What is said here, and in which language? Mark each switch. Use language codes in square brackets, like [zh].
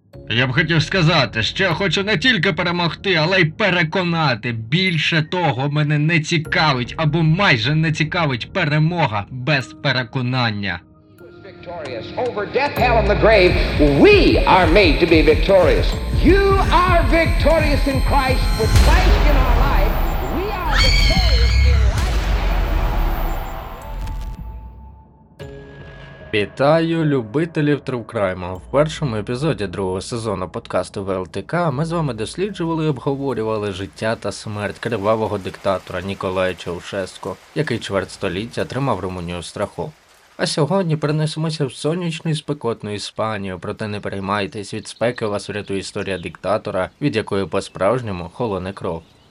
[uk] Я б хотів сказати, що я хочу не тільки перемогти, але й переконати. Більше того, мене не цікавить або майже не цікавить перемога без переконання. [en] Victorious over death, hell, and the grave, we are made to be victorious. You are victorious in Christ, with Christ in our life. We are victorious in life. [uk] Вітаю любителів трукрайму. В першому епізоді другого сезону подкасту ВЛТК ми з вами досліджували і обговорювали життя та смерть кривавого диктатора Ніколая Чаушеску, який чверть століття тримав Румунію в страху. А сьогодні перенесемося в сонячну і спекотну Іспанію, проте не переймайтесь, від спеки вас врятує історія диктатора, від якої по-справжньому холоне кров.